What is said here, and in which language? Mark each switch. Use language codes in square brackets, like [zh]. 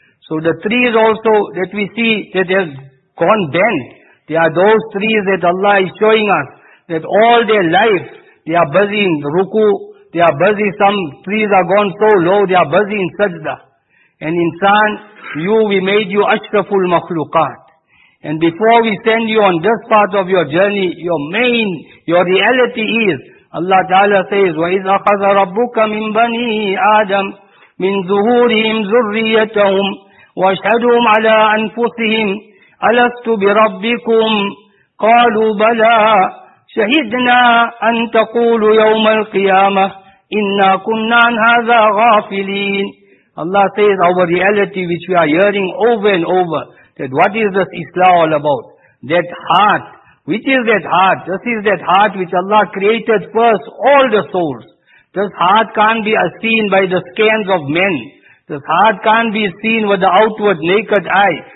[en] So the trees also that we see that have gone bent, they are those trees that Allah is showing us, that all their life, they are busy in ruku, they are busy, some trees are gone so low, they are busy in sajda. And insan, we made you ashraful makhlukat. And before we send you on this part of your journey, your reality is, Allah Ta'ala says, [ar] وَإِذْ أَخَذَ رَبُّكَ مِنْ بَنِي آدَمْ مِنْ ظُهُورِهِمْ ذُرِّيَّتَهُمْ وَأَشْهَدُهُمْ عَلَىٰ أَنفُسِهِمْ أَلَسْتُ بِرَبِّكُمْ قَالُوا بَلَىٰ شَهِدْنَا أَن تَقُولُ يَوْمَ الْقِيَامَةِ إِنَّا كُنَّا عَنْ هَذَا غَافِلِينَ. [en] Allah says our reality which we are hearing over and over, that what is this Islam all about? That heart. Which is that heart? This is that heart which Allah created first all the souls. This heart can't be seen by the scans of men. This heart can't be seen with the outward naked eye.